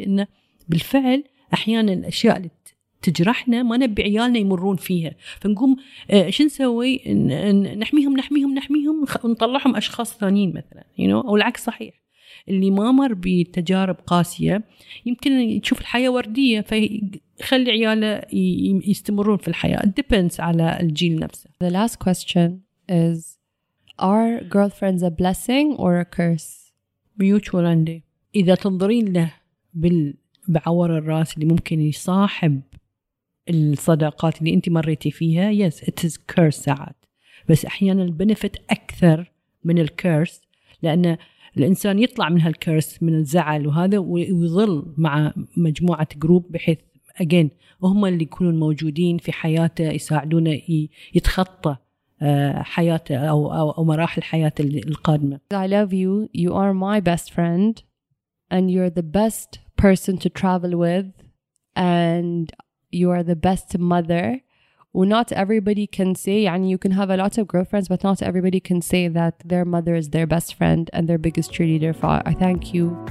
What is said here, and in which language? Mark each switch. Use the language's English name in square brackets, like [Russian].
[Arabic] إنه بالفعل أحيانا الأشياء اللي تجرحنا ما نبي عيالنا يمرون فيها، فنقوم ايش نسوي؟ نحميهم نحميهم نحميهم ونطلعهم اشخاص ثانيين مثلا، يو او العكس صحيح، اللي ما مر بتجارب قاسيه يمكن يشوف الحياه ورديه فيخلي عياله يستمرون في الحياه. [English] It depends [Arabic] على الجيل نفسه. [English] The last question is, are girlfriends a blessing or a curse? [Arabic] Mutual عندي. اذا تنظرين له بعور الراس اللي ممكن يصاحب الصداقات اللي انت مريتي فيها، [English] yes it is curse [Arabic] ساعات، بس احيانا البنفت اكثر من الكيرس، لان الانسان يطلع من هالكيرس من الزعل وهذا ويظل مع مجموعه جروب بحيث again هم اللي يكونون موجودين في حياته يساعدونه يتخطى حياته او مراحل حياته القادمه. [English] I love you, you are my best friend and you're the best person to travel with and you are the best mother. Well, not everybody can say, and you can have a lot of girlfriends, but not everybody can say that their mother is their best friend and their biggest cheerleader. I thank you.